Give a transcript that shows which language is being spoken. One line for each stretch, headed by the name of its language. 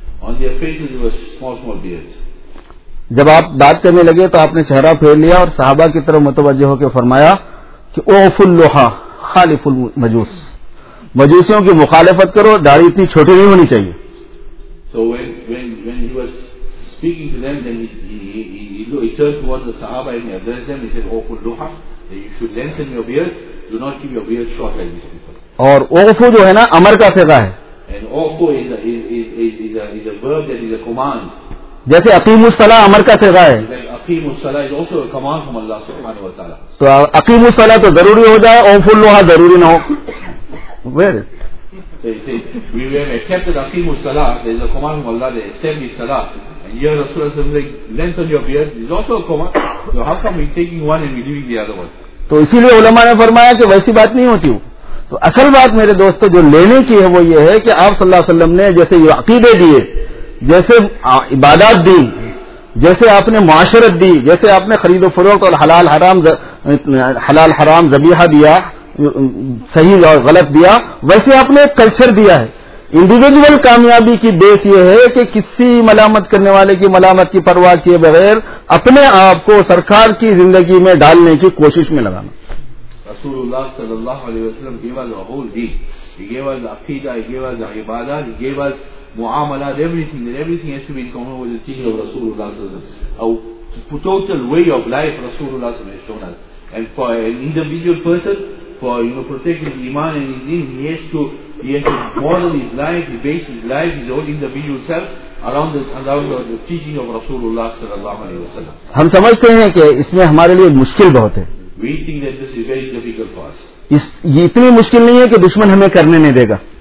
English: on their faces there were small small beards
Urdu: جب آپ بات کرنے لگے تو آپ نے چہرہ پھیر لیا اور صحابہ کی طرف متوجہ ہو کے فرمایا کہ
Arabic: اوف اللہ خالف المجوس
Urdu: مجوسیوں کی مخالفت کرو داڑھی اتنی چھوٹی نہیں ہونی چاہیے
English: so when he was speaking to them then he turned towards the sahaba and he addressed them he said
Arabic: اوف اللہ
English: you should lengthen your beard do not keep your beard short like these people
Urdu: اور اوف جو ہے نا امر کا صیغہ ہے
English: and اوف is a verb that is a command
Urdu: جیسے
Arabic: اقیم الصلاح
Urdu: امر کا صیغہ ہے
Arabic: اقیم الصلاح
English: is also a command from Allah سبحانہ وتعالی
Urdu: تو
Arabic: اقیم الصلاح
Urdu: تو ضروری ہو جائے
Arabic: اوف اللہ
Urdu: ضروری نہ ہو
English: where is it we have accepted
Arabic: اقیم الصلاح
English: there is a command from Allah that establish salah and here Rasulullah is saying lengthen your beard is also a command so how come we taking one and we leaving the other one
Urdu: تو اسی لئے علماء نے فرمایا کہ ویسی بات نہیں ہوتی ہو تو اصل بات میرے دوستو جو لینے کی ہے وہ یہ ہے کہ آپ صلی اللہ علیہ وسلم نے جیسے یہ عقیدے دیئے جیسے عبادات دی جیسے آپ نے معاشرت دی جیسے آپ نے خرید و فروخت اور حلال حرام ذبیحہ دیا صحیح اور غلط دیا ویسے آپ نے کلچر دیا ہے انڈیویجول کامیابی کی بیس یہ ہے کہ کسی ملامت کرنے والے کی ملامت کی پرواہ کیے بغیر اپنے آپ کو سرکار کی زندگی میں ڈالنے کی کوشش میں لگانا.
English: رسول اللہ صلی اللہ علیہ وسلم gave us a whole deed, he gave us the aqidah, he gave us the ibadah, he gave us muamalat, everything, and everything has to be in common with the teaching of Rasulullah sallallahu alayhi wa sallam. A total way of life Rasulullah sallallahu alayhi wa sallam has shown us. And for an individual person, for you know, protecting iman and his deen, he has to model his life, he base his life, his whole individual self, around the teaching of Rasulullah sallallahu alayhi wa sallam.
Urdu: ہم سمجھتے ہیں کہ اس میں ہمارے لئے مشکل بہت ہے.
English: We think that this is very difficult for us.
Urdu: یہ اتنی مشکل نہیں ہے کہ دشمن ہمیں کرنے نہیں دے گا.